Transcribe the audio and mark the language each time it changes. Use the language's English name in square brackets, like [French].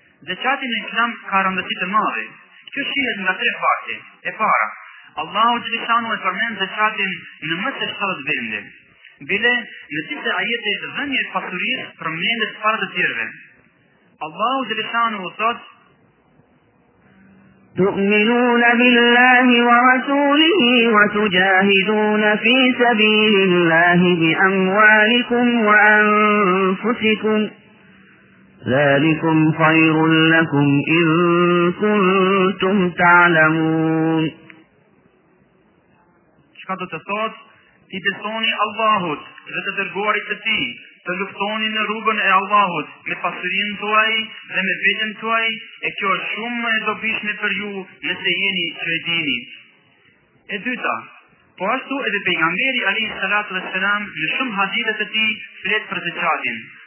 [Albanian] Zekati në Islam ka rëndësi të madhe. Kjo shihet nga tre fakte. E para, Allahu Xhelaluhu e përmend zekatin në më të 70 vende. Bile, në disa ajete dhënia e pasurisë përmendet para të tjerëve. Allahu Xhelaluhu thotë: [Arabic] تؤمنون بالله ورسوله وتجاهدون في سبيل الله بأموالكم وأنفسكم ذلكم خير لكم إن كنتم تعلمون. [Albanian] Çka do të thot, ti besoni Allahut dhe të dërguarit të ti, të luftoni në rrugën e Allahut me pasurinë tuaj dhe me veten tuaj, e kjo është shumë e dobishme për ju nëse jeni që e dini. E dyta, po ashtu edhe pejgamberi a.s. në shumë hadithe të ti flet për zekatin.